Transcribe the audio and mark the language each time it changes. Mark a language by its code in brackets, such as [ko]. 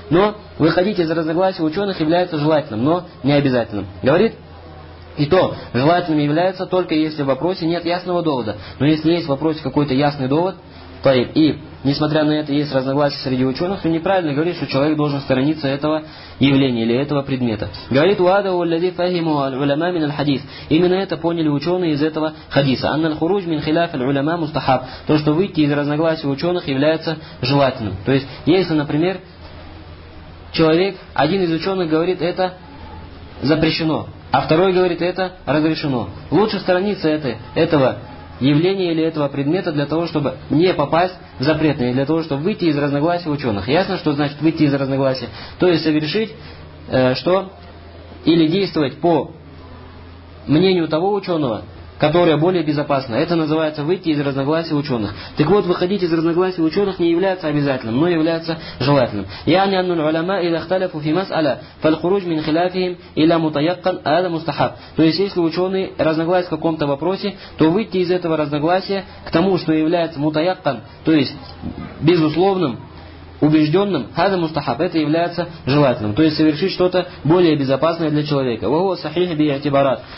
[ru] Но выходить из разногласий ученых является желательным, но не обязательным. Говорит, и то желательным является только если в вопросе нет ясного довода. Но если есть в вопросе какой-то ясный довод, и несмотря на это есть разногласия среди ученых, то неправильно говорить, что человек должен сторониться этого явления или этого предмета. [ar] Говорит, وَهَذَا الَّذِي فَهِمُوا الْعُلَمَاءُ مِنَ الْحَدِيثِ. [ru] Именно это поняли ученые из этого хадиса. [ar] أَنَّ الْخُرُوجَ مِنْ خِلَافِ الْعُلَمَاءِ مُسْتَحَبٌ. [ru] То, что выйти из разногласий ученых является желательным. То есть, если, например, человек, один из ученых говорит, это запрещено, а второй говорит, это разрешено. Лучше сторониться этого явление или этого предмета для того, чтобы не попасть в запретное, для того, чтобы выйти из разногласий ученых. Ясно, что значит выйти из разногласия? То есть совершить что? Или действовать по мнению того ученого, которое более безопасно. Это называется выйти из разногласий ученых. Так вот, выходить из разногласий ученых не является обязательным, но является желательным. [ar] يعني أن العلماء إذا اختلفوا في مسألة فالخروج من خلافهم إلى متيقن هذا مستحب. [ru] То есть, если ученые разногласят в каком-то вопросе, то выйти из этого разногласия к тому, что является мутаяккан, то есть безусловным, убежденным, [ar] хаза мустахаб, [ru] это является желательным. То есть совершить что-то более безопасное для человека. [ar] Ва хуа сахих би и'тибарат.